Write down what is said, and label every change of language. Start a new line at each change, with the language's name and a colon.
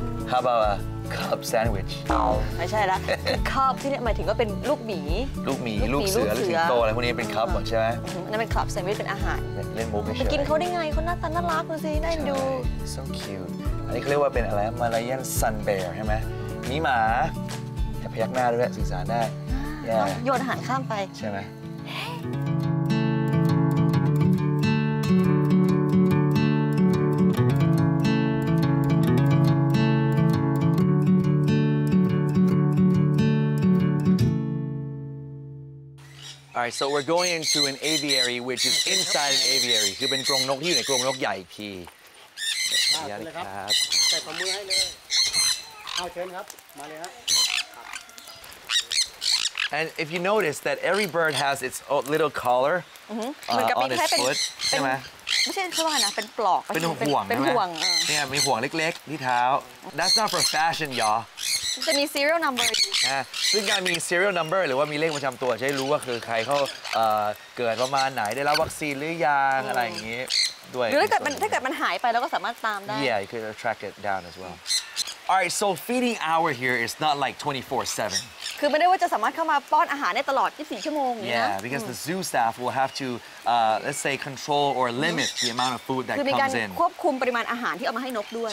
English: How about a cub sandwich?
Thai: ไม่ใช่ละ Cub ที่นี่หมายถึงก็เป็นลูกหมี ลูกหมีลูกเสือลูกสิงโตอะไรพวกนี้เป็นคับใช่ไหม นั่นเป็นคับแซนด์วิชเป็นอาหาร เล่นมุก ไปกินเขาได้ไงเขาหน้าตาน่ารักดูสิได้ดู So cute อันนี้เขาเรียกว่าเป็นอะไรมาลายันซันเบียร์ใช่ไหมมีหมาแต่พยักหน้าด้วยสื่อสารได้ yeah. โยนอาหารข้ามไป
English: ใช่ไหม Alright, so we're going into an aviary, which is inside an aviary.
Thai: คือเป็นกรงนกที่อยู่ในกรงนกใหญ่พี่ขออนุญาตครับ ใส่ ฝ่ ามือ ให้เลยเอาเชิญครับมาเลยครับ
English: And if you notice that every bird has its little collar on its foot,
Thai: ใช่ไหม ไม่ใช่ชวานะเป็นปลอก เป็นห่วง เป็นห่วง เนี่ยมีห่วงเล็กๆที่เท้า That's not for fashion, y'all. จะมี serial number ซึ่งการมี serial number หรือว่ามีเลขประจำตัวจะได้รู้ว่าคือใครเขาเกิดประมาณไหนได้รับวัคซีนหรือยังอะไรอย่างนี้ด้วย หรือถ้าเกิดมันหายไปเราก็สามารถตามได้
English: Yeah, you could track it down as well Alright, so feeding hour here is not like 24/7
Thai: คือไม่ได้ว่าจะสามารถเข้ามาป้อนอาหารได้ตลอด24ชั่วโมงนะ
English: Yeah, because the zoo staff will have to let's say control or limit the amount of food that comes in
Thai: คือมีการควบคุมปริมาณอาหารที่เอามาให้นกด้วย